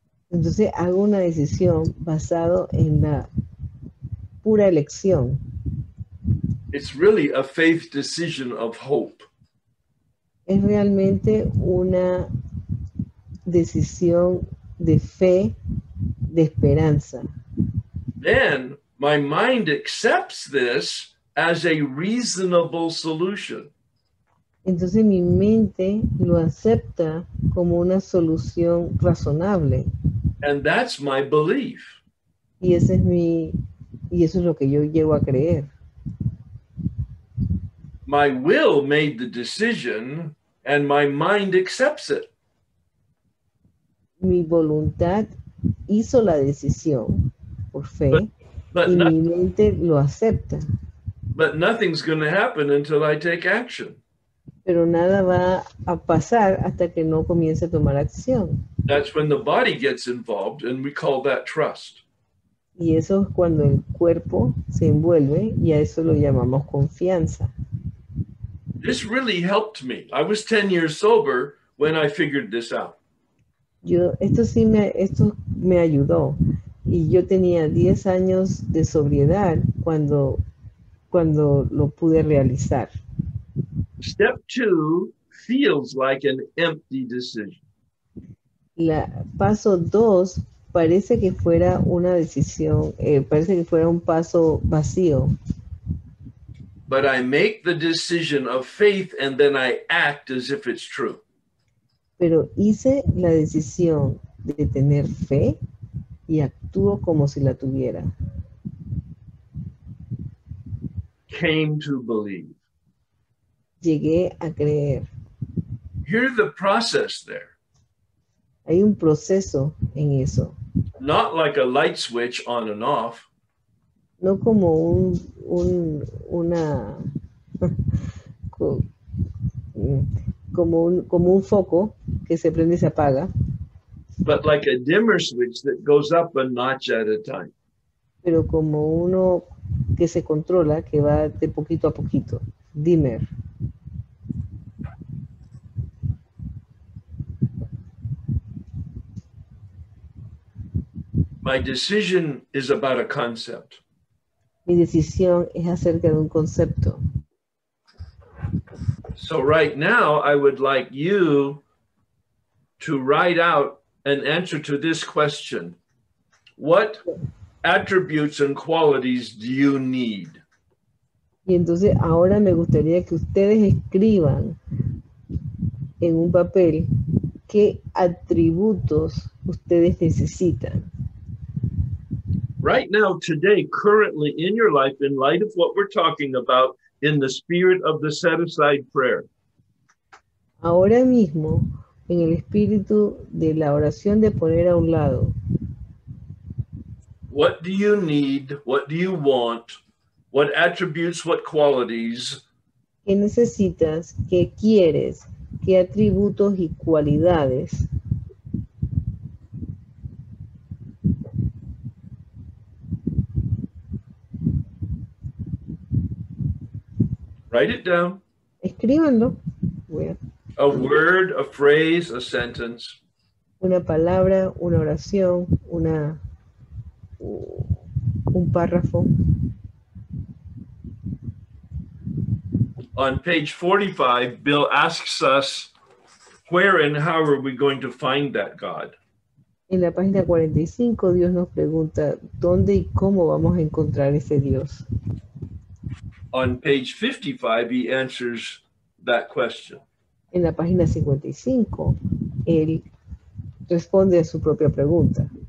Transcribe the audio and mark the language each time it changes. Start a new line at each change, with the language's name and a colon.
Spanish: Entonces hago una decisión basado en la pura elección.
English: It's really a faith decision of hope.
Spanish: Es realmente una decisión de fe, de esperanza.
English: Then my mind accepts this as a reasonable solution.
Spanish: Entonces mi mente lo acepta como una solución razonable.
English: And that's my belief.
Spanish: Y eso es lo que yo llego a creer.
English: My will made the decision and my mind accepts it.
Spanish: Mi voluntad hizo la decisión por fe, but y no, mi mente lo acepta.
English: But nothing's going to happen until I take action.
Spanish: Pero nada va a pasar hasta que no comience a tomar acción.
English: That's when the body gets involved, and we call that trust.
Spanish: Y eso es cuando el cuerpo se envuelve, y a eso lo llamamos confianza.
English: This really helped me. I was 10 years sober when I figured this out.
Spanish: Esto me ayudó. Y yo tenía 10 años de sobriedad cuando lo pude realizar.
English: Step two feels like an empty decision.
Spanish: Paso dos parece que fuera una decisión, parece que fuera un paso vacío.
English: But I make the decision of faith and then I act as if it's true.
Spanish: Pero hice la decisión de tener fe y actúo como si la tuviera.
English: came to believe.
Spanish: Llegué a creer.
English: Hear the process there.
Spanish: Hay un proceso en eso.
English: Not like a light switch on and off.
Spanish: No como un foco que se prende y se apaga.
English: But like a dimmer switch that goes up a notch at a time.
Spanish: Pero como uno que se controla, que va de poquito a poquito.
English: Dimmer. My decision is about a concept.
Spanish: Mi decisión es acerca de un concepto.
English: So right now, I would like you to write out an answer to this question. What attributes and qualities do you need?
Spanish: Y entonces ahora me gustaría que ustedes escriban en un papel qué atributos ustedes necesitan.
English: Right now, today, currently in your life, in light of what we're talking about, in the spirit of the set-aside prayer.
Spanish: Ahora mismo, en el espíritu de la oración de poner a un lado.
English: What do you need? What do you want? What attributes? What qualities?
Spanish: ¿Qué necesitas? ¿Qué quieres? ¿Qué atributos y cualidades?
English: Write it down.
Spanish: Escríbanlo.
English: A word, a phrase, a sentence.
Spanish: Una palabra, una oración, un párrafo.
English: On page 45, Bill asks us, where and how are we going to find that God?
Spanish: En la página 45, Dios nos pregunta, ¿dónde y cómo vamos a encontrar ese Dios?
English: On page 55, he answers that question.
Spanish: En la página 55, él responde a su propia pregunta.